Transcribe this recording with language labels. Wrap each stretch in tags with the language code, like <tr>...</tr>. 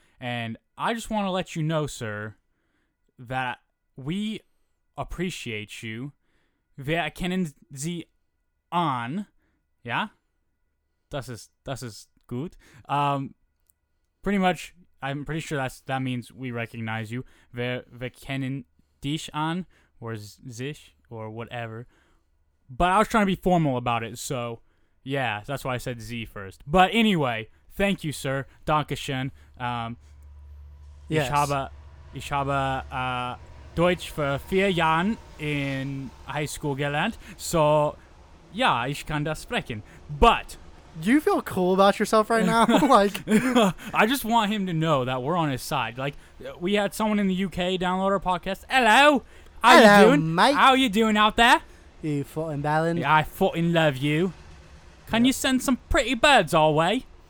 <en>And I just want to let you know, sir, that we appreciate you.</en> <de>Wir kennen Sie an. Yeah? Das ist gut.</de> <en>Pretty much, I'm pretty sure that means we recognize you.</en> <de>Wir kennen dich an, or sich,</de> <en>or whatever. But I was trying to be formal about it, so yeah, that's why I said Z first. But anyway, thank you, sir.</en> <de>Dankeschön.</de> <en>Yes.</en> <de>Ich habe Deutsch für 4 Jahre in high school gelernt. So ja, ich kann das sprechen.</de> <en>But do you feel cool about yourself right now? Like, I just want him to know that we're on his side. Like, we had someone in the UK download our podcast. Hello. Hello, mate. How are you doing out there? You fucking balance. Yeah, I fucking love you. Can you send some pretty birds our way?</en>